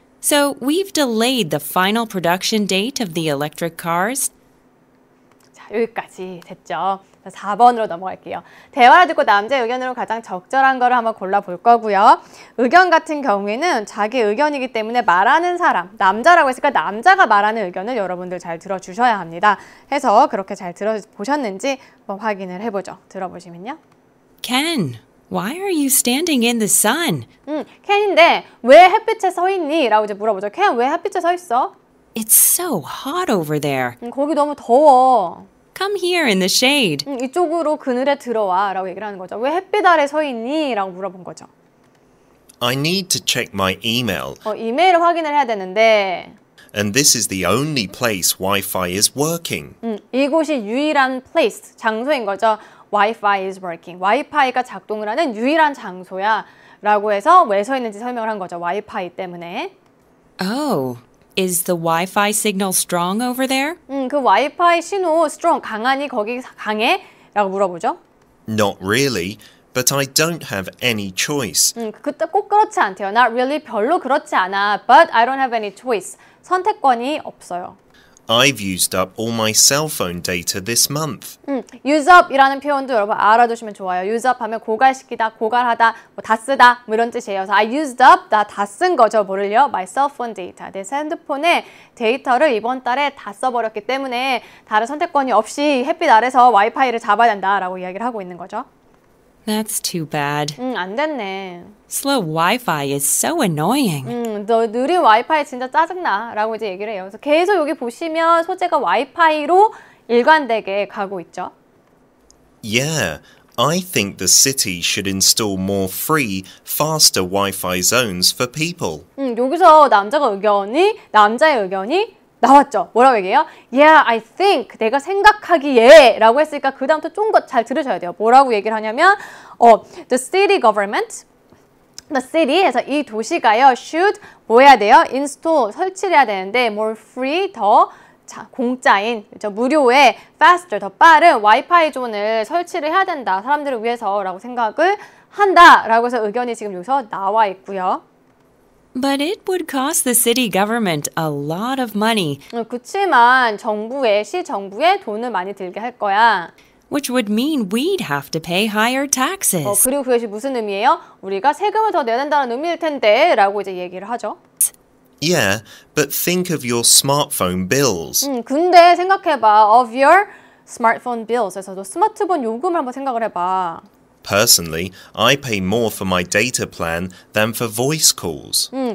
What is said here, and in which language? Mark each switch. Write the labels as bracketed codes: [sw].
[en] So we've delayed the final production date of the electric cars. [ko] 자, 여기까지 됐죠. 4번으로 넘어갈게요. 대화를 듣고 남자의 의견으로 가장 적절한 거를 한번 골라볼 거고요. 의견 같은 경우에는 자기 의견이기 때문에 말하는 사람, 남자라고 했으니까 남자가 말하는 의견을 여러분들 잘 들어주셔야 합니다. 해서 그렇게 잘 들어보셨는지 한번 확인을 해보죠. 들어보시면요. [en] Ken, why are you standing in the sun? [ko] Ken인데 왜 햇빛에 서 있니? 라고 이제 물어보죠. Ken, 왜 햇빛에 서 있어? [en] It's so hot over there. [ko] 거기 너무 더워. [en] Come here in the shade. [ko] 이쪽으로 그늘에 들어와 라고 얘기를 하는 거죠. 왜 햇빛 아래 서 있니? 라고 물어본 거죠. [en] I need to check my email. [ko] 이메일을 확인을 해야 되는데 [en] And this is the only place Wi-Fi is working. [ko] 이곳이 유일한 place, 장소인 거죠. [en] Wi-Fi is working. [ko] Wi-Fi가 작동을 하는 유일한 장소야 라고 해서 왜 서 있는지 설명을 한 거죠. Wi-Fi 때문에 [en] Oh. Is the Wi-Fi signal strong over there? [ko] 그 와이파이 신호 strong 강하니 거기 강해? 라고 물어보죠. [en] Not really, but I don't have any choice. [ko] 꼭 그렇지 않대요. [en] Not really, [ko] 별로 그렇지 않아. [en] But I don't have any choice. [ko] 선택권이 없어요. [en] I've used up all my cell phone data this month. [ko] Use up이라는 표현도 여러분 알아두시면 좋아요. Use up하면 고갈시키다, 고갈하다, 뭐 다 쓰다 뭐 이런 뜻이에요. [en] So I used up, [ko] 나 다 쓴 거죠. 뭐를요? [en] My cell phone data. [ko] 내 핸드폰의 데이터를 이번 달에 다 써버렸기 때문에 다른 선택권이 없이 햇빛 아래서 와이파이를 잡아야 된다라고 이야기를 하고 있는 거죠. [en] That's too bad. [ko] 안 됐네. [en] Slow Wi-Fi is so annoying. [ko] 너 느린 와이파이 진짜 짜증나 라고 이제 얘기를 해요. 그래서 계속 여기 보시면 소재가 와이파이로 일관되게 가고 있죠. [en] Yeah. I think the city should install more free, faster Wi-Fi zones for people. [ko] 여기서 남자의 의견이 나왔죠. 뭐라고 얘기해요? [en] Yeah, I think. [ko] 내가 생각하기에 라고 했으니까 그 다음부터 좀 더 잘 들으셔야 돼요. 뭐라고 얘기를 하냐면 [en] the city government, the city [ko] 에서 이 도시가요. should 뭐 해야 돼요? install, 설치를 해야 되는데 [en] more free, [ko] 더 공짜인, 그렇죠? 무료의 faster, 더 빠른 와이파이 존을 설치를 해야 된다. 사람들을 위해서 라고 생각을 한다. 라고 해서 의견이 지금 여기서 나와 있고요. [en] But it would cost the city government a lot of money. [ko] 그치만 정부에, 시정부에 돈을 많이 들게 할 거야. [en] Which would mean we'd have to pay higher taxes. [ko] 그리고 그것이 무슨 의미예요? 우리가 세금을 더 내야 된다는 의미일 텐데 라고 이제 얘기를 하죠. [en] Yeah, but think of your smartphone bills. [ko] 근데 생각해봐. [en] Of your smartphone bills. [ko] 그래서 스마트폰 요금을 한번 생각을 해봐. [en] Personally, I pay more for my data plan than for voice calls.